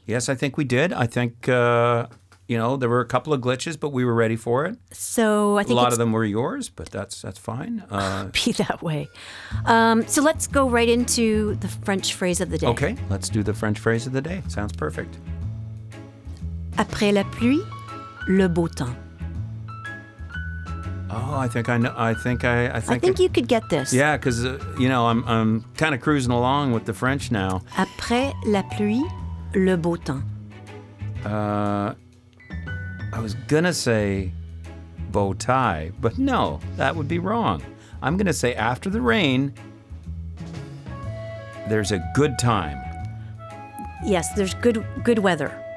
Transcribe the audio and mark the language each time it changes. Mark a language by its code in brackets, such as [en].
[en] Yes, I think we did. I think, you know, there were a couple of glitches, but we were ready for it. So I think a lot of them were yours, but that's fine. Be that way. So let's go right into the French phrase of the day. Okay, let's do the French phrase of the day. Sounds perfect. [fr] Après la pluie, le beau temps. [en] Oh, I think I know. I think you could get this. Yeah, because you know I'm kind of cruising along with the French now. [fr] Après la pluie, le beau temps. [en] I was going to say bow tie, but no, that would be wrong. I'm going to say after the rain, there's a good time. Yes, there's good weather.